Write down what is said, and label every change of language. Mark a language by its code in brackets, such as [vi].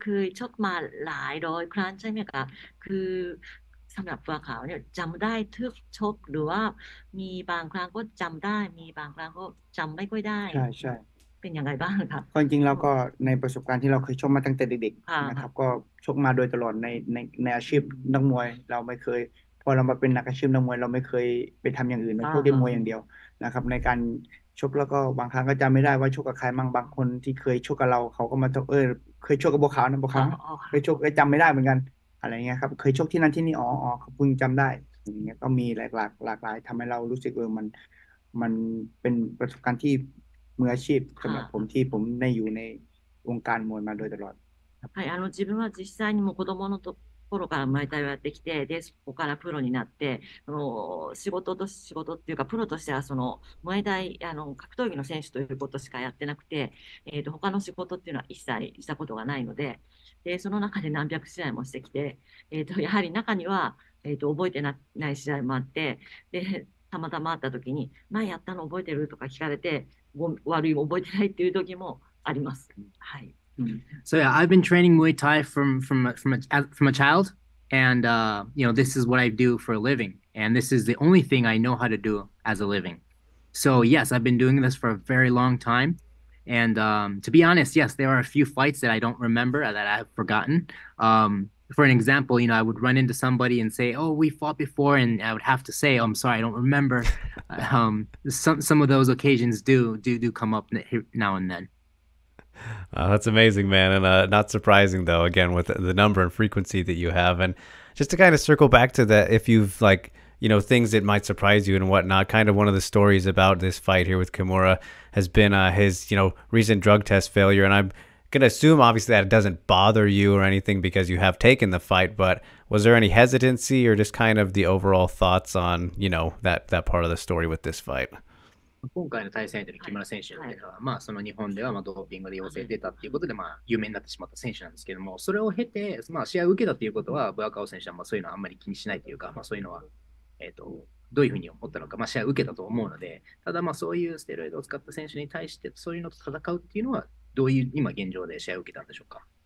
[th] คือชกมาหลายร้อยครั้งใช่ไหมคะ？คือสำหรับพวกเขาเนี่ยจำได้ทุกชกหรือว่ามีบางครั้งก็จำได้มีบางครั้งก็จำไม่ค่อยได้ ใช่ใช่ เป็นยังไงบ้างครับ ความจริงแล้วก็ในประสบการณ์ที่เราเคยชกมาตั้งแต่เด็กๆนะครับก็ชกมาโดยตลอดในอาชีพนักมวยเราไม่เคยพอเรามาเป็นนักอาชีพนักมวยเราไม่เคยไปทำอย่างอื่นนอกจากมวยอย่างเดียวนะครับในการชกแล้วก็บางครั้งก็จำไม่ได้ว่าชกกับใครบ้างบางคนที่เคยชกกับเราเขาก็มา เคยชกกับบัวขาวนะบัวขาวเคยชกจำไม่ได้เหมือนกันอะไรเงี้ยครับเคยชกที่นั่นที่นี่อ๋อเขาพึ่งจำได้อย่างเงี้ยก็มีหลากหลายทำให้เรารู้สึกเออมันเป็นประสบการณ์ที่มืออาชีพสำหรับผมที่ผมได้อยู่ในวงการมวยมาโดยตลอด [ja] はい自分は実際にも子供のところからマイタイをやってきてでそこからプロになって仕事と仕事っていうかプロとしてはそのマイタイ格闘技の選手ということしかやってなくて他の仕事っていうのは一切したことがないのでその中で何百試合もしてきてやはり中には覚えてない試合もあってでたまたま会った時に前やったの覚えてるとか聞かれて悪い覚えてないっていう時もあります。はい。 [en] So yeah, I've been training Muay Thai from a child, and you know, this is what I do for a living, and this is the only thing I know how to do as a living. So yes, I've been doing this for a very long time, and to be honest, yes, there are a few fights that I don't remember that I've forgotten. For an example, you know, I would run into somebody and say, "Oh, we fought before," and I would have to say, "Oh, I'm sorry, I don't remember." some of those occasions do come up now and then. That's amazing, man, and not surprising though. Again, with the number and frequency that you have, and just to kind of circle back to that, if you've like, you know, things that might surprise you and whatnot, kind of one of the stories about this fight here with Kimura has been his, you know, recent drug test failure, and I'm gonna assume obviously that it doesn't bother you or anything because you have taken the fight, but was there any hesitancy or just kind of the overall thoughts on, you know, that part of the story with this fight? [ja] 今回の対戦相手の木村選手っていうのは、まあ、その日本ではまあドーピングで陽性出たっていうことで、まあ、有名になってしまった選手なんですけども、それを経て、まあ、試合を受けたっていうことは、ブアカウ選手はまあそういうのはあんまり気にしないというか、まあ、そういうのは、どういうふうに思ったのか、まあ、試合を受けたと思うので、ただ、まあ、そういうステロイドを使った選手に対して、そういうのと戦うっていうのは、どういう今現状で試合を受けたんでしょうか。